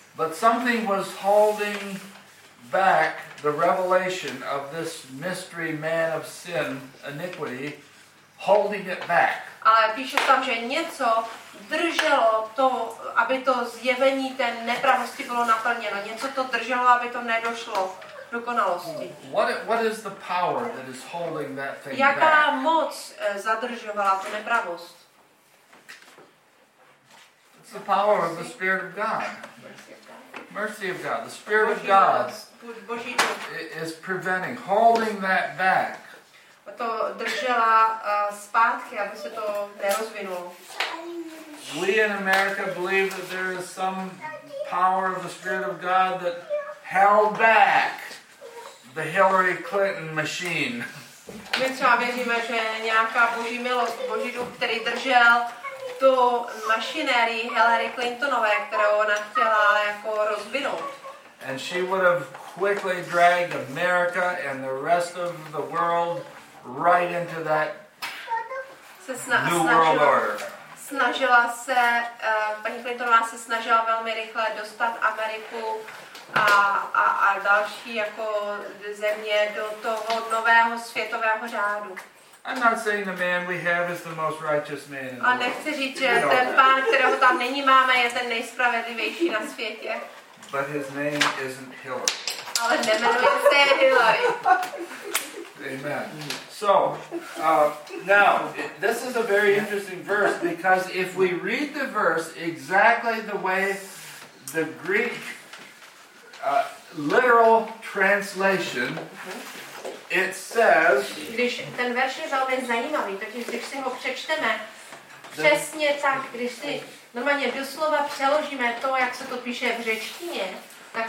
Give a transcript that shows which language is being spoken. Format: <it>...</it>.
<en>But something was holding back the revelation of this mystery man of sin, iniquity, holding it back.</en> <cs>Ale píše tam, že něco drželo to, aby to zjevení té nepravosti bylo naplněno. Něco to drželo, aby to nedošlo dokonalosti.</cs> <en>What is the power that is holding that thing back?</en> <cs>Jaká moc zadržovala tu nepravost?</cs> <en>It's the power of the Spirit of God. Mercy of God. The Spirit of God is preventing, holding that back.</en> <cs>To držela zpátky, aby se to nerozvinulo.</cs> <en>We in America believe that there is some power of the Spirit of God that held back the Hillary Clinton machine.</en> <cs>My třeba věříme, že nějaká boží milost, boží duch, který držel tu mašinérii Hillary Clintonové, kterou ona chtěla jako rozvinout.</cs> <en>And she would have quickly dragged America and the rest of the world right into that new world order.</en> <cs>Snažila se, paní Clintonová se snažila velmi rychle dostat Ameriku a další jako země do toho nového světového řádu.</cs> <en>I'm not saying the man we have is the most righteous man in the world.</en> <cs>A nechci říct, že ten pán, kterého tam nyní máme, je ten nejspravedlivější na světě.</cs> <en>But his name isn't Hillary.</en> <cs>Ale nemenuje se Hillary.</cs> <en>Amen. So, now, this is a very interesting verse, because if we read the verse exactly the way the Greek literal translation, it says...</en> <cs>Když ten verš je velmi zajímavý, takže když si ho přečteme, přesně tak, když si normálně doslova přeložíme to, jak se to píše v řečtině, tak</cs>